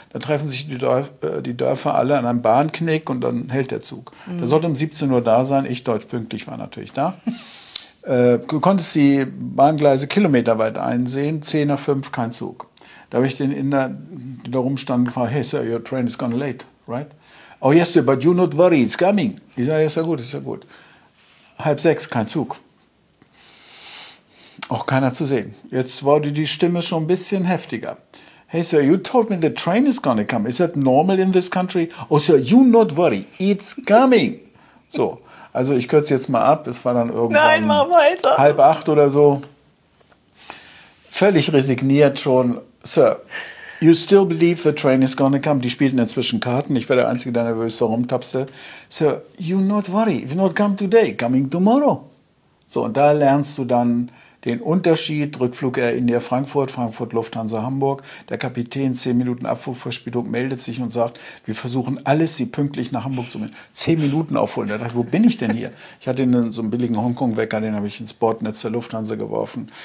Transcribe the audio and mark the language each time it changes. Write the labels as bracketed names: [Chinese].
[German] Da treffen sich die Dörfer alle an einem Bahnknick und dann hält der Zug. Mhm. Der sollte um 17 Uhr da sein, ich deutsch pünktlich war natürlich da. Du konntest die Bahngleise kilometerweit einsehen, 10 nach 5, kein Zug. Da habe ich den Inder, der da rumstand, gefragt, [English] hey, sir, your train is gone late, right? Oh, yes, sir, but you not worry, it's coming. [German] Ich sage, ist ja gut. 5:30, kein Zug. Auch keiner zu sehen. Jetzt wurde die Stimme schon ein bisschen heftiger. [English] Hey, sir, you told me the train is gonna come. Is that normal in this country? Oh, sir, you not worry, it's coming. [German] So. Also ich kürze jetzt mal ab, es war dann irgendwann 7:30 oder so. Völlig resigniert schon, Sir, [English] You still believe the train is gonna come. [German] Die spielten inzwischen Karten. Ich war der Einzige, der nervös so rumtapste. [English] So, you not worry. If not come today, coming tomorrow. [German] So, und da lernst du dann den Unterschied. Rückflug Air India Frankfurt, Frankfurt Lufthansa Hamburg. Der Kapitän, 10 Minuten Abflugverspätung, meldet sich und sagt, wir versuchen alles, sie pünktlich nach Hamburg zu melden. 10 Minuten aufholen. Da dachte ich, wo bin ich denn hier? Ich hatte so einen billigen Hongkong-Wecker, den habe ich ins Bordnetz der Lufthansa geworfen.